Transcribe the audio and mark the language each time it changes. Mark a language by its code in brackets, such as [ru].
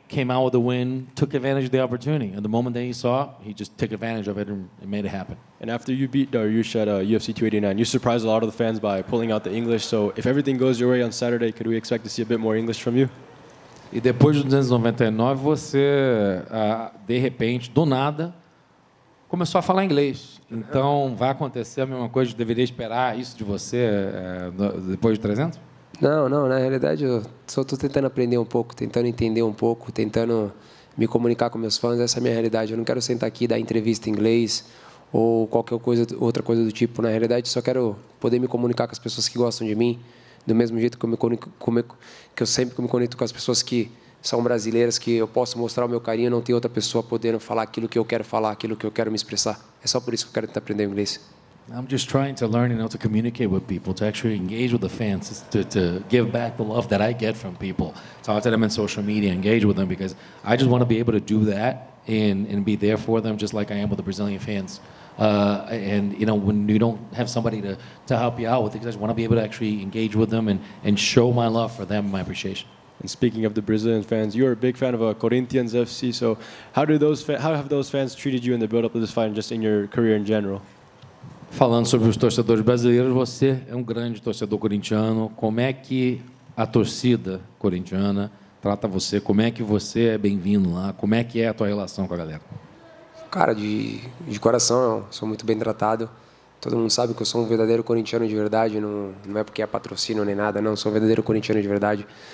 [en] Came out with a win, took advantage of the opportunity. And the moment that he saw, he just took advantage of it and made it happen. And after you beat Dariush at UFC 289, you surprised a lot of the fans by pulling out the English. So if everything goes your way on Saturday, could we expect to see a bit more English from you? [pt] E depois de 299, você, de repente, do nada, começou a falar inglês. Então, vai acontecer a mesma coisa, deveria esperar isso de você depois de 300? Não, na realidade eu só estou tentando aprender um pouco, tentando entender um pouco, tentando me comunicar com meus fãs, essa é a minha realidade. Eu não quero sentar aqui e dar entrevista em inglês ou qualquer coisa, outra coisa do tipo. Na realidade, só quero poder me comunicar com as pessoas que gostam de mim, do mesmo jeito que eu sempre me conecto com as pessoas que são brasileiras, que eu posso mostrar o meu carinho, não tem outra pessoa podendo falar aquilo que eu quero falar, aquilo que eu quero me expressar. É só por isso que eu quero tentar aprender inglês. [en] I'm just trying to learn, you know, to communicate with people, to actually engage with the fans, to give back the love that I get from people. Talk to them on social media, engage with them, because I just want to be able to do that and be there for them, just like I am with the Brazilian fans. And, you know, when you don't have somebody to help you out with, I just want to be able to actually engage with them and show my love for them, my appreciation. And speaking of the Brazilian fans, you're a big fan of Corinthians FC, so how have those fans treated you in the build-up of this fight and just in your career in general? [pt] Falando sobre os torcedores brasileiros, você é um grande torcedor corintiano. Como é que a torcida corintiana trata você? Como é que você é bem-vindo lá? Como é que é a tua relação com a galera? Cara, de coração, eu sou muito bem tratado. Todo mundo sabe que eu sou um verdadeiro corintiano de verdade. Não é porque é patrocínio nem nada, não. Sou um verdadeiro corintiano de verdade.